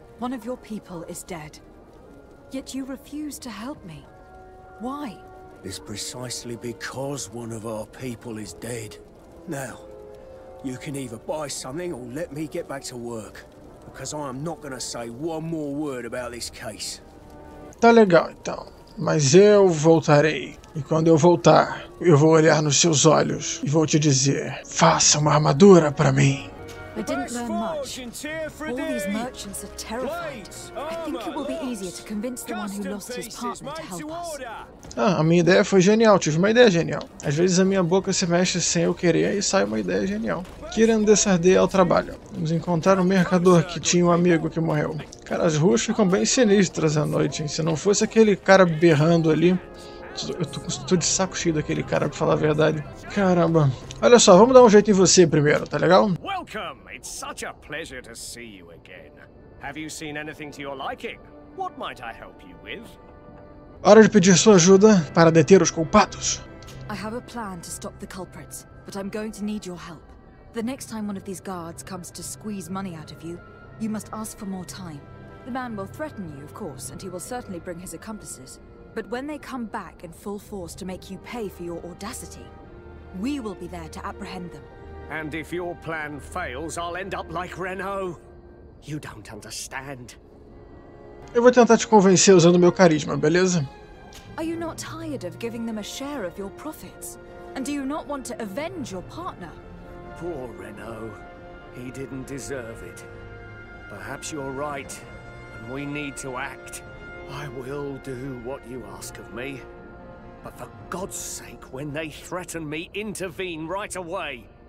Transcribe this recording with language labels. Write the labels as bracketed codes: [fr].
[en] One of your people is dead. Yet you refuse to help me. Why? It's precisely because one of our people is dead. Now, you can either buy something or let me get back to work. Because I am not going to say one more word about this case. [pt] Tá legal, então. Mas eu voltarei. E quando eu voltar, eu vou olhar nos seus olhos e vou te dizer: faça uma armadura para mim. [en] I didn't learn much. All these merchants are terrified. I think it will be easier to convince the one who lost his partner to help us. [pt] Ah, a minha ideia foi genial. Tive uma ideia genial. Às vezes a minha boca se mexe sem eu querer e sai uma ideia genial. Querendo desardear ao trabalho. Vamos encontrar um mercador que tinha um amigo que morreu. Cara, as ruas ficam bem sinistras à noite, hein? Se não fosse aquele cara berrando ali... Eu tô de saco cheio daquele cara, pra falar a verdade. Caramba. Olha só, vamos dar um jeito em você primeiro, tá legal? [en] Welcome. It's such a pleasure to see you again. Have you seen anything to your liking? What might I help you with? [pt] Hora de pedir sua ajuda para deter os culpados. [en] I have a plan to stop the culprits, but I'm going to need your help. The next time one of these guards comes to squeeze money out of you, you must ask for more time. The man will threaten you, of course, and he will certainly bring his accomplices. But when they come back in full force to make you pay for your audacity, we will be there to apprehend them. And if your plan fails, I'll end up like Renault. You don't understand. [pt] Eu vou tentar te convencer usando meu carisma, beleza? [en] Are you not tired of giving them a share of your profits? And do you not want to avenge your partner? Poor Renault. He didn't deserve it. Perhaps you're right, and we need to act. I will do what you ask of me, but for God's sake, when they threaten me, intervene right away.